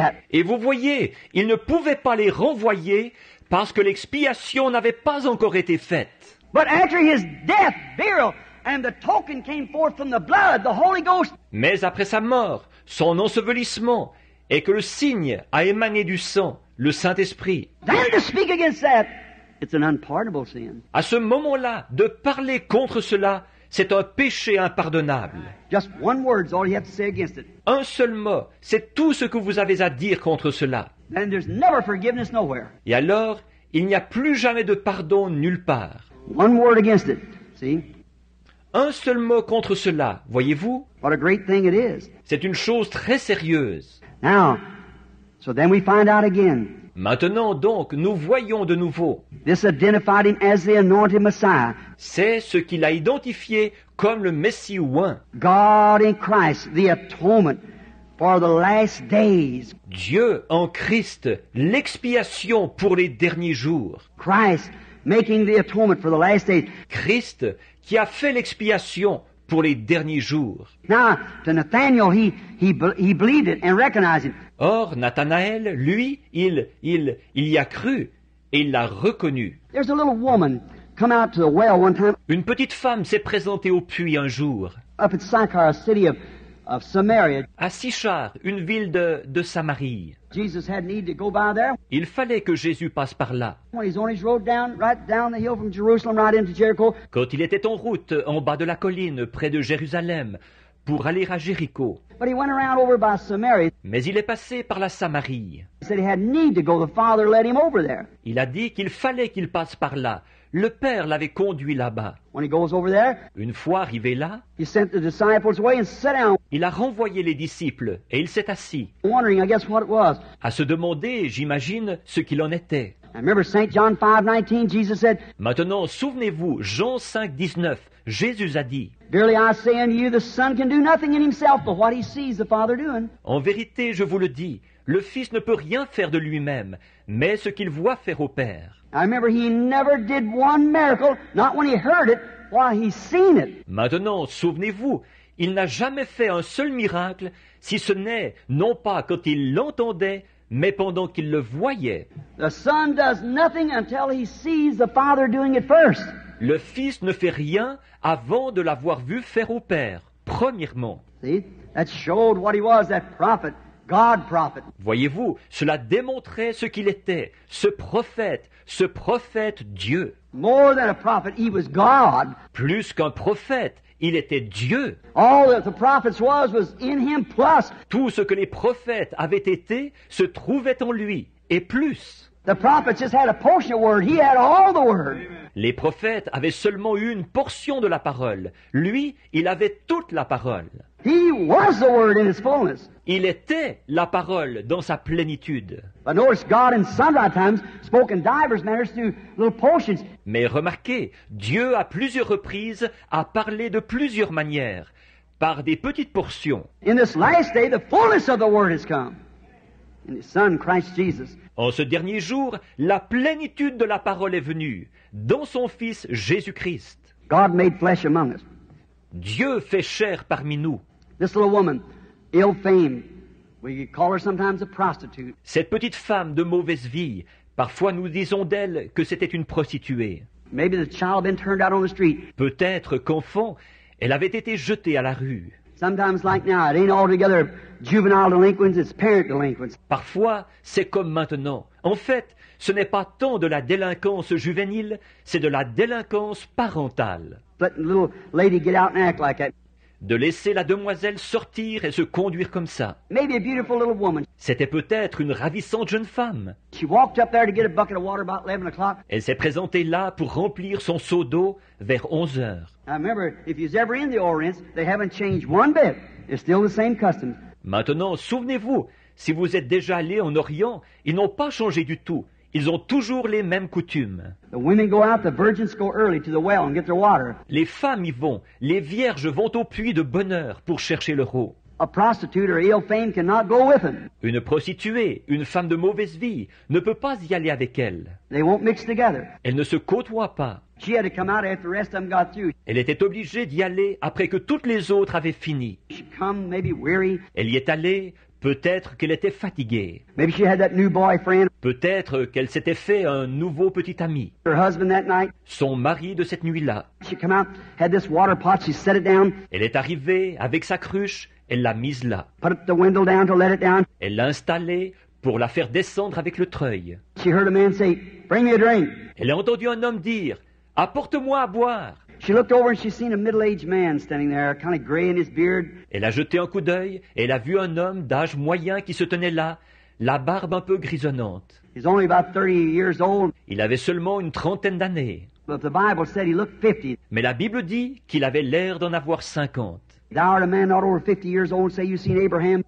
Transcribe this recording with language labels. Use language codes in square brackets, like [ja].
[fr] Et vous voyez, il ne pouvait pas les renvoyer parce que l'expiation n'avait pas encore été faite. [en] But after his death, burial, and the token came forth from the blood, the Holy Ghost. [fr] Mais après sa mort, son ensevelissement, et que le signe a émané du sang, le Saint-Esprit. [en] Then to speak against that, it's an unpardonable sin. [fr] À ce moment-là, de parler contre cela, C'est un péché impardonnable. [en] Just one word is all you have to say against it. [fr] Un seul mot, c'est tout ce que vous avez à dire contre cela. [en] And there's never forgiveness nowhere. [fr] Et alors, il n'y a plus jamais de pardon nulle part. [en] One word against it, see? [fr] Un seul mot contre cela, voyez-vous? [en] What a great thing it is. [fr] C'est une chose très sérieuse. [en] Now, so then we find out again. [fr] Maintenant donc, nous voyons de nouveau. [en] This identified him as the anointed Messiah. [fr] C'est ce qu'il a identifié comme le Messie oint. [en] God in Christ, the atonement for the last days. [fr] Dieu en Christ, l'expiation pour les derniers jours. [en] Christ making the atonement for the last days. [fr] Christ qui a fait l'expiation pour les derniers jours. [en] Now, to Nathaniel, he believed it and recognized it. [fr] Or, Nathanaël, lui, il y a cru et il l'a reconnu. [en] There's a little woman come out to the well one time. [fr] Une petite femme s'est présentée au puits un jour. [en] Up at Sychar, a city of Samaria. [fr] À Sychar, une ville de Samarie. [en] Jesus had need to go by there. [fr] Il fallait que Jésus passe par là. [en] When he's on his road down, right down the hill from Jerusalem, right into Jericho. [fr] Quand il était en route, en bas de la colline, près de Jérusalem, pour aller à Jéricho. [en] But he went around over by Samaria. [fr] Mais il est passé par la Samarie. [en] He said he had need to go. The Father led him over there. [fr] Il a dit qu'il fallait qu'il passe par là. Le Père l'avait conduit là-bas. [en] When he goes over there, [fr] une fois arrivé là, [en] he sent the disciples away and sat down. [fr] Il a renvoyé les disciples et il s'est assis. [en] Wondering, I guess, what it was. [fr] À se demander, j'imagine, ce qu'il en était. [en] I remember Saint John 5:19, Jesus said, [fr] maintenant, souvenez-vous, Jean 5:19, Jésus a dit, [en] verily I say unto you, the Son can do nothing in himself but what he sees the Father doing. [fr] En vérité, je vous le dis, le Fils ne peut rien faire de lui-même, mais ce qu'il voit faire au Père. [en] I remember he never did one miracle, not when he heard it, while he seen it. [fr] Maintenant, souvenez-vous, il n'a jamais fait un seul miracle, si ce n'est, non pas quand il l'entendait, mais pendant qu'il le voyait. [en] The Son does nothing until he sees the Father doing it first. [fr] Le Fils ne fait rien avant de l'avoir vu faire au Père, premièrement. [en] See, that showed what he was, that prophet, God prophet. [fr] Voyez-vous, cela démontrait ce qu'il était, ce prophète Dieu. [en] More than a prophet, he was God. [fr] Plus qu'un prophète, il était Dieu. [en] All that the prophets was in him plus. [fr] Tout ce que les prophètes avaient été se trouvait en lui, et plus. [en] The prophet just had a portion of the word. He had all the word. Amen. [fr] Les prophètes avaient seulement eu une portion de la parole. Lui, il avait toute la parole. [en] He was the word in his fullness. [fr] Il était la parole dans sa plénitude. [en] But notice God in sundry times spoke in divers manners through little portions. [fr] Mais remarquez, Dieu à plusieurs reprises a parlé de plusieurs manières, par des petites portions. [en] In this last day, the fullness of the word has come. In his Son, Christ Jesus. [fr] En ce dernier jour, la plénitude de la parole est venue, dans son Fils Jésus-Christ. [en] God made flesh among us. [fr] Dieu fait chair parmi nous. [en] This little woman, ill-famed, we call her sometimes a prostitute. [fr] Cette petite femme de mauvaise vie, parfois nous disons d'elle que c'était une prostituée. [en] Maybe the child been turned out on the street. [fr] Peut-être qu'enfant, elle avait été jetée à la rue. [en] Sometimes like now, it ain't altogether juvenile delinquents, it's parent delinquents. [fr] Parfois, c'est comme maintenant. En fait, ce n'est pas tant de la délinquance juvénile, c'est de la délinquance parentale. [en] Let the little lady get out and act like that. [fr] De laisser la demoiselle sortir et se conduire comme ça. [en] Maybe a beautiful little woman. [fr] C'était peut-être une ravissante jeune femme. [en] She walked up there to get a bucket of water about 11 o'clock. [fr] Elle s'est présentée là pour remplir son seau d'eau vers 11 heures. [en] I remember, if you've ever in the Orient, they haven't changed one bit. It's still the same customs. [fr] Maintenant, souvenez-vous, si vous êtes déjà allé en Orient, ils n'ont pas changé du tout. Ils ont toujours les mêmes coutumes. [en] The women go out, the virgins go early to the well and get their water. [fr] Les femmes y vont, les vierges vont au puits de bonne heure pour chercher leur eau. [en] A prostitute or ill-famed cannot go with them. [fr] Une prostituée, une femme de mauvaise vie, ne peut pas y aller avec elle. [en] They won't mix together. [fr] Elle ne se côtoie pas. [en] She had to come out after the rest of them got through. [fr] Elle était obligée d'y aller après que toutes les autres avaient fini. [en] She come maybe weary. [fr] Elle y est allée. Peut-être qu'elle était fatiguée. [en] Maybe she had that new boyfriend. [fr] Peut-être qu'elle s'était fait un nouveau petit ami. [en] Her husband that night. [fr] Son mari de cette nuit-là. [en] She came out, had this water pot, she set it down. [fr] Elle est arrivée avec sa cruche, elle l'a mise là. [en] Put the window down to let it down. [fr] Elle l'a installée pour la faire descendre avec le treuil. [en] She heard a man say, bring me a drink. [fr] Elle a entendu un homme dire, apporte-moi à boire. [en] She looked over and she seen a middle-aged man standing there, kind of gray in his beard. [fr] Elle a jeté un coup d'œil et elle a vu un homme d'âge moyen qui se tenait là, la barbe un peu grisonnante. [en] He's only about 30 years old. [fr] Il avait seulement une trentaine d'années. [en] But the Bible said he looked 50. [fr] Mais la Bible dit qu'il avait l'air d'en avoir 50. [en] Thou art a man not over 50 years old, say you've seen Abraham.